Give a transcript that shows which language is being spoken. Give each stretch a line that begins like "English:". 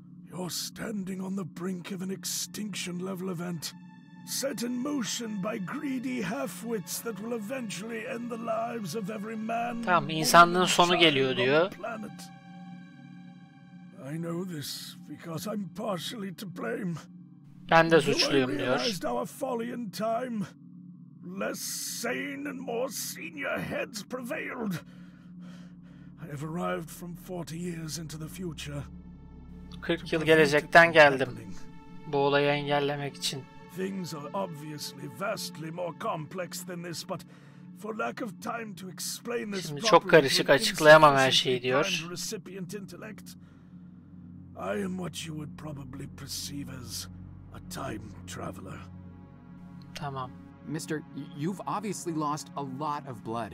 English: You're standing on the brink of an extinction level event, set in motion by greedy half-wits that will eventually end the lives of every man.
Turkish: Tamam, insanlığın sonu geliyor diyor.
English: I know this because I'm partially to blame.
Turkish: Ben de suçluyum diyor.
English: Our folly in time. Less sane and more senior heads prevailed. I have arrived from 40 years into the future.
Turkish: 40 yıl gelecekten geldim. Bu olayı engellemek için.
English: Things are obviously vastly more complex than this, but for lack of time to explain this.
Turkish: Şimdi çok karışık, açıklayamam her şeyi diyor.
English: Recipient intellect. I am what you would probably perceive as a time traveler.
Turkish: Tamam.
English: Mister, you've obviously lost a lot of blood.